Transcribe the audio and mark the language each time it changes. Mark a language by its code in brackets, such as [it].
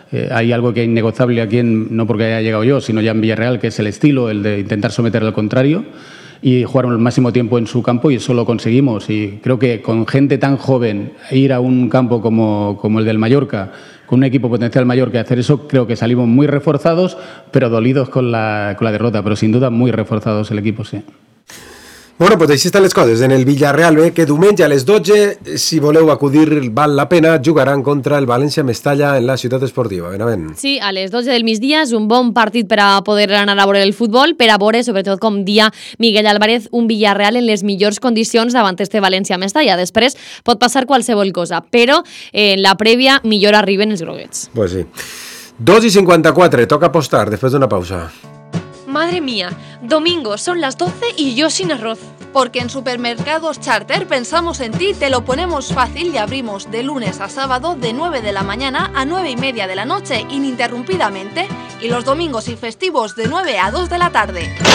[es] Hay algo que es innegociable aquí, no porque haya llegado yo, sino ya en Villarreal, que es el estilo, el de intentar someter al contrario y jugar el máximo tiempo en su campo, y eso lo conseguimos. Y creo que con gente tan joven ir a un campo como el del Mallorca, con un equipo potencial mayor que hacer eso, creo que salimos muy reforzados, pero dolidos con la derrota, pero sin duda muy reforzados el equipo, sí. [ca] Bueno, pues així estan les coses en el Villarreal, que diumenge a les 12, si voleu acudir, val la pena, jugaran contra el València Mestalla en la ciutat esportiva. Benavent. Sí, a les 12 del migdia és un bon partit per a poder anar a veure el futbol, per a veure, sobretot com dia Miguel Álvarez, un Villarreal en les millors condicions davant este València Mestalla. Després pot passar qualsevol cosa, però en la prèvia millor arriben els groguets. [es] Pues sí. [ca] 2:54, toca apostar després d'una pausa. [es] Madre mía, domingo son las 12 y yo sin arroz. Porque en Supermercados Charter pensamos en ti, te lo ponemos fácil y abrimos de lunes a sábado de 9 de la mañana a 9 y media de la noche ininterrumpidamente y los domingos y festivos de 9 a 2 de la tarde.